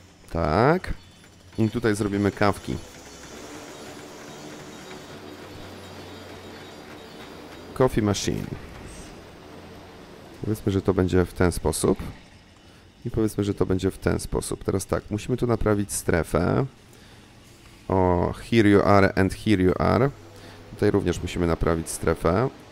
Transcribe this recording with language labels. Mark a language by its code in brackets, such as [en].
[pl] Tak. I tutaj zrobimy kawki. [en] Coffee machine. [pl] Powiedzmy, że to będzie w ten sposób. I powiedzmy, że to będzie w ten sposób. Teraz tak, musimy tu naprawić strefę. [en] O, here you are and here you are. [pl] Tutaj również musimy naprawić strefę.